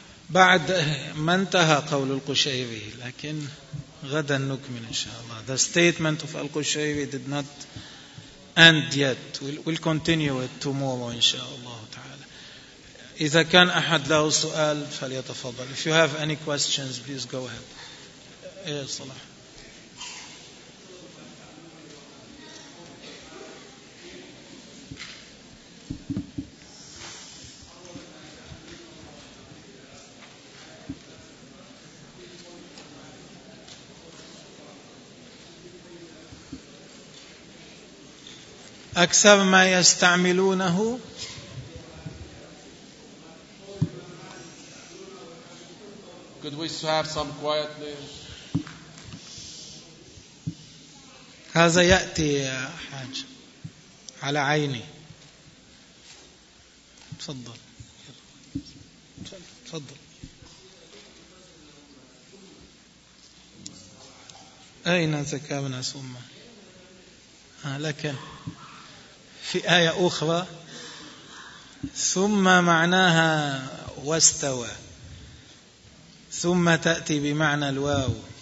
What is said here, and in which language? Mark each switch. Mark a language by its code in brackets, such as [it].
[ar] بعد ما انتهى قول القشيري. لكن غدا نكمل إن شاء الله. [en] The statement of القشيري did not end yet. We'll continue it tomorrow [ar] إن شاء الله تعالى. إذا كان أحد له سؤال فليتفضل. [en] If you have any questions, please go ahead. [ar] إيه صلاح. أكثر ما يستعملونه [en] Could we have some quiet please? [ar] هذا يأتي يا حاج على عيني تفضل تفضل أين ذكرنا ثم لكن في آية أخرى ثم معناها واستوى ثم تأتي بمعنى الواو